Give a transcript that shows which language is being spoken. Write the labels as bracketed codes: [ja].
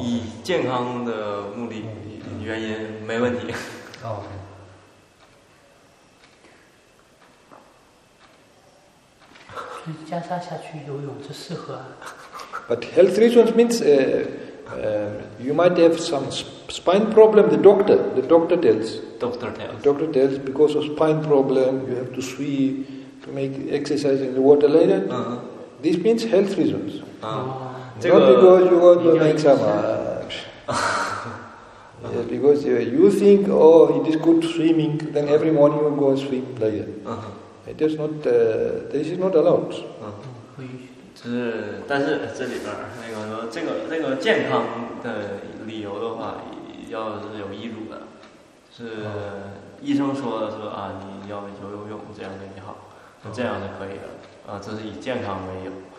[zh] 以健康的目的原因没问题。袈裟下去游泳这适合啊。 [en] But health reasons means you might have some spine problem, the doctor tells because of spine problem you have to swim to make exercise in the water later. Uh-huh. This means health reasons. Uh-huh. Not because you want to make some uh-huh. Yeah, because you think, oh, it is good swimming, then every morning you go and swim later. Uh-huh. It is not, this is not allowed. Uh-huh. [zh] 但是这里边那个说这个健康的理由的话，要是有医嘱的，是医生说的是啊，你要游泳这样对你好，这样是可以的啊，这是以健康为由。